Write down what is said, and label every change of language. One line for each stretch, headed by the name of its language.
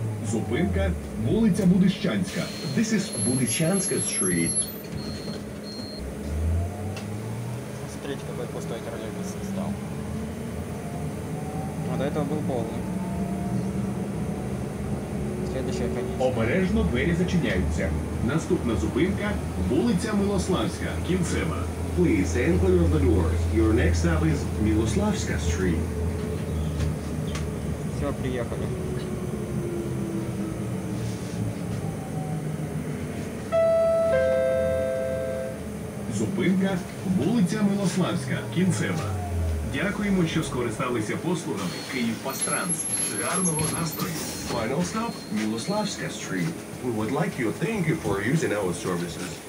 Ukrainian: зупинка – вулиця Будищанська.
English: This is Budichanska Street.
Russian: Посмотрите, какой пустой тролейбус стал. А до этого был полный. Следующая конечная.
Ukrainian: Обережно двери зачиняются. Наступна зупинка – вулиця Милославська, кінцева.
English: Please enter the doors. Your next stop is Miloslavska Street.
Russian: Все, приехали.
Ukrainian: Зупинка – вулиця Милославська, кінцева. Дякуємо, що скористалися послугами «Київпастранс». Гарного настрою!
English: Final stop – Miloslavska Street. We would like you to thank you for using our services.